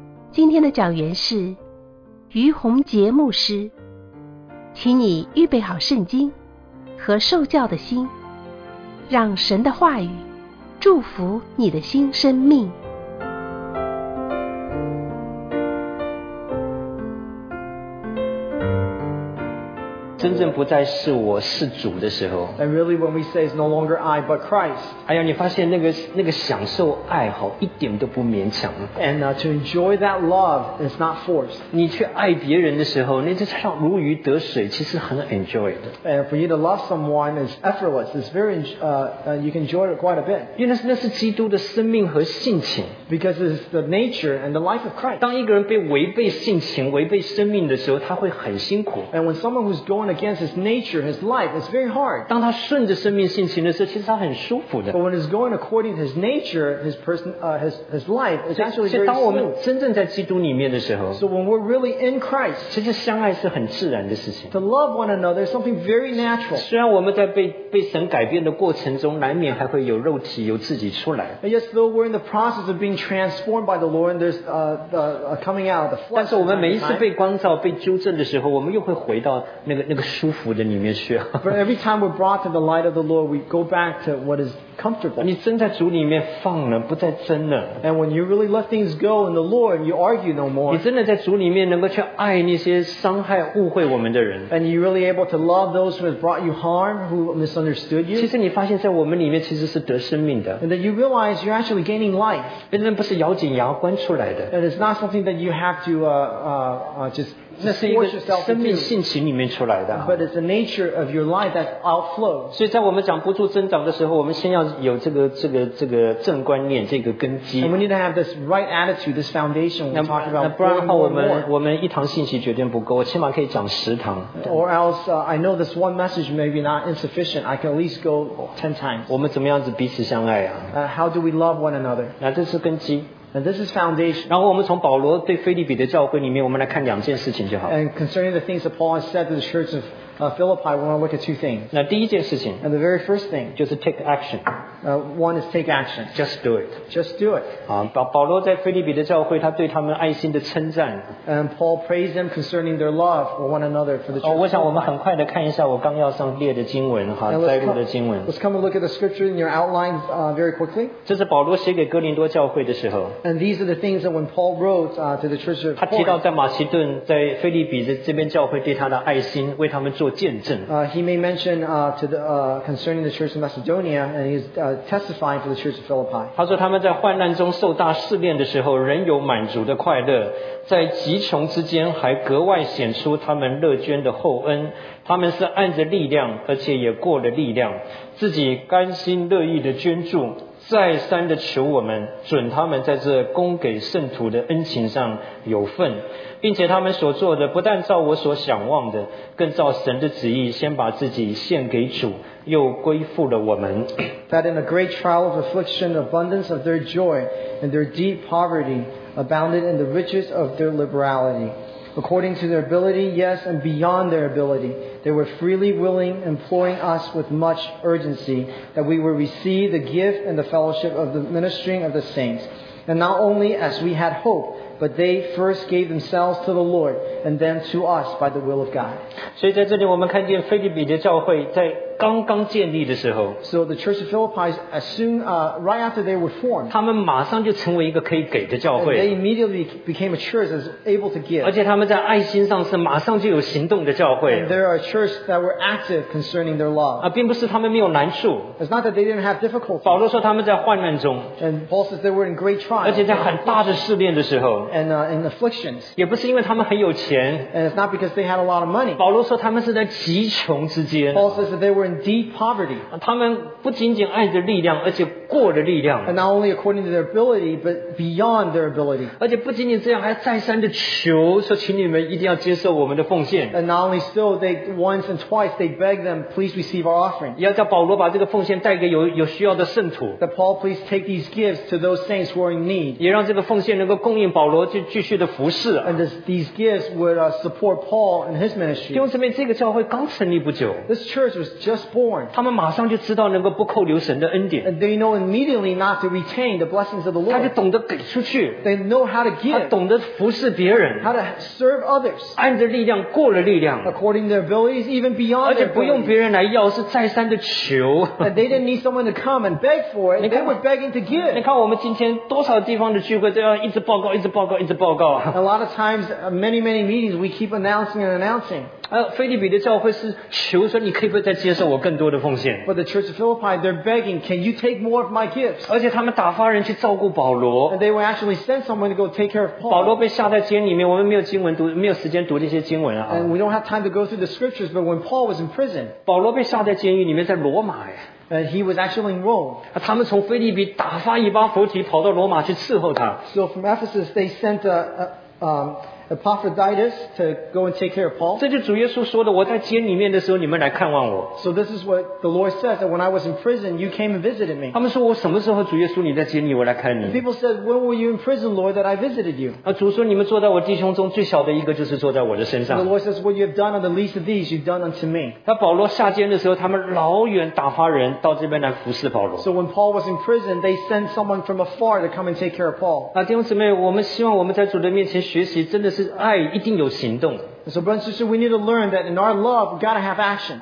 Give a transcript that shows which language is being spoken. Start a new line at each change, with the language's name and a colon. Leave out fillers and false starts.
Chinese: 今天的讲员是于洪杰牧师，请你预备好圣经和受教的心，让神的话语祝福你的新生命。真正不再是我是主的时候
English: And really when we say it's no longer I but Christ
Chinese: 哎呀你发现那个享受爱好一点都不勉强
English: And to enjoy that love is not forced
Chinese: 你去爱别人的时候那就像如鱼得水其实很
English: enjoy
Chinese: 的
English: And for you to love someone is effortless It's very, you can enjoy it quite a bit
Chinese: 因为那是基督的生命和性情
English: Because it's the nature and the life of Christ
Chinese: 当一个人被违背性情违背生命的时候他会很辛苦
English: And when someone who's going against his nature, his life, it's very hard.
Chinese: 当他顺着生命性情的时候，其实他很舒服的。
English: But when he's going according to his nature, his person, his life, it's actually very smooth.
Chinese: 当我们真正在基督里面的时候
English: ，So when we're really in Christ,
Chinese: 其实相爱是很自然的事情。
English: To love one another is something very natural.
Chinese: 虽然我们在被神改变的过程中，难免还会有肉体有自己出来。
English: And yes, though we're in the process of being transformed by the Lord, and there's coming out of the flesh.
Chinese: 但是我们每一次被光照、被纠正的时候，我们又会回到那个舒服的里面去。
English: But every time we're brought to the light of the Lord, we go back to what is comfortable.
Chinese: 你真在主里面放了，不再争了。
English: And when you really let things go in the Lord, you argue no more.
Chinese: 你真的在主里面能够去爱那些伤害、误会我们的人。
English: And you're really able to love those who have brought you harm, who misunderstood you.
Chinese: 其实你发现在我们里面其实是得生命的。
English: And then you realize you're actually gaining life.
Chinese: 那不是咬紧牙关出来的。
English: And it's not something that you have to just...
Chinese: 那是一个生命性情里面出来的。
English: But it's the nature of your life that outflows.
Chinese: 所以在我们讲不住增长的时候，我们先要有这个正观念，这个根基。
English: And we need to have this right attitude, this foundation. We talk about more and more.
Chinese: 我们一堂信息绝对不够，我起码可以讲十堂。
English: Or else, I know this one message may be not insufficient. I can at least go 10 times.
Chinese: 我们怎么样子彼此相爱啊？
English: How do we love one another?
Chinese: 那这是根基。
English: And this is foundation.
Chinese: 然后我们从保罗对腓立比的教会里面，我们来看两件事情就好。
English: And concerning the things that Paul has said to the church of Philippi, we want to look at two things.
Chinese: 那第一件事情。
English: And the very first thing.
Chinese: 就是
English: take action. One is take action. Just do it. Just do it.
Chinese: 保罗在腓立比的教会，他对他们爱心的称赞。
English: And Paul praised them concerning their love for one another for the church.
Chinese: 我想我们很快的看一下我刚要上列的经文哈，摘录的经文。
English: Let's come and look at the scripture in your outline very quickly.
Chinese: 这是保罗写给哥林多教会的时候。
English: And these are the things that when Paul wrote to the church of Corinth,
Chinese: 他提到在马其顿在腓立比这边教会对他的爱心为他们做见证。
English: He may mention concerning the church of Macedonia and he's testifying for the church of Philippi.
Chinese: 他说他们在患难中受大试炼的时候仍有满足的快乐在极穷之间还格外显出他们乐捐的厚恩他们是按着力量而且也过了力量自己甘心乐意的捐助再三的求我们准他们在这供给圣徒的恩情上有份并且他们所做的不但照我所想望的更照神的旨意先把自己献给主又归附了我们
English: That in a great trial of affliction abundance of their joy and their deep poverty abounded in the riches of their liberality according to their ability yes and beyond their abilityThey were freely willing, imploring us with much urgency that we would receive the gift and the fellowship of the ministering of the saints. And not only as we had hoped, but they first gave themselves to the Lord and then to us by the will of God.
Chinese: 所以在这里我们看见腓立比的教会在刚刚建立的时候
English: So the church of Philippi as soon, right after they were formed
Chinese: 他们马上就成为一个可以给的教会
English: They immediately became a church that was able to give
Chinese: 而且他们在爱心上是马上就有行动的教会
English: And there are churches that were active concerning their love
Chinese: 并不是他们没有难处
English: It's not that they didn't have difficulty
Chinese: 保罗说他们在患难中
English: And Paul says they were in great trial
Chinese: 而且在很大的试炼的时候
English: And in afflictions
Chinese: 也不是因为他们很有钱
English: And it's not because they had a lot of money
Chinese: 保罗说他们是在极穷之间
English: Paul says that they were in deep poverty
Chinese: 他们不仅仅爱着力量而且过的力量。
English: And not only according to their ability, but beyond their ability.
Chinese: 而且不仅仅这样，还再三的求说，请你们一定要接受我们的奉献。
English: And not only so, they once and twice they beg them, please receive our offering.
Chinese: 要叫保罗把这个奉献带给有需要的圣徒。
English: That Paul please take these gifts to those saints who are in need.
Chinese: 也让这个奉献能够供应保罗去继续的服侍、啊。
English: And these gifts would support Paul and his ministry.
Chinese: 弟兄姊妹，这个教会刚成立不久。
English: This church was just born.
Chinese: 他们马上就知道能够不扣留神的恩典。
English: And they know immediately not to retain the blessings of the Lord.
Chinese: 他就懂得给出去。
English: They know how to give.
Chinese: 他懂得服侍别人。
English: How to serve others.
Chinese: 按着力量过了力量。
English: According to their abilities, even beyond their abilities.
Chinese: 而且不用别人来要，是再三的求。
English: And they didn't need someone to come and beg for it. They were begging to give.
Chinese: 你看我们今天多少地方的聚会都要一直报告，一直报告，一直报告。
English: A lot of times, many, many meetings, we keep announcing and announcing.
Chinese: 腓立比的教会是求说你可以不再接受我更多的奉献。
English: But the church of Philippi, they're begging, can you take more of my gifts?
Chinese: 而且他们打发人去照顾保罗。
English: And they will actually send someone to go take care of Paul.
Chinese: 保罗被下在监里面，我们没有经文读，没有时间读这些经文啊。
English: And we don't have time to go through the scriptures, but when Paul was in prison,
Chinese: 保罗被下在监狱里面，在罗马耶。
English: And he was actually in Rome.
Chinese: 他们从腓立比打发以巴弗提跑到罗马去伺候他。
English: So from Ephesus, they sent Epaphroditus to go and take care of Paul.
Chinese: 这就主耶稣说的，我在监里面的时候，你们来看望我。
English: So this is what the Lord said that when I was in prison, you came and visited me.
Chinese: 他们说我什么时候主耶稣你在监里，我来看你。
English: People said, when were you in prison, Lord, that I visited you?
Chinese: 主说你们坐在我弟兄中最小的一个，就是坐在我的身上。
English: The Lord says, what you have done on the least of these, you've done unto me.
Chinese: 那保罗下监的时候，他们老远打发人到这边来服侍保罗。
English: So when Paul was in prison, they sent someone from afar to come and take care of Paul.
Chinese: 弟兄姊妹，我们希望我们在主的面前学习。真的是爱一定有行动。
English: So, brothers and sisters, we need to learn that in our love, we've got to have action.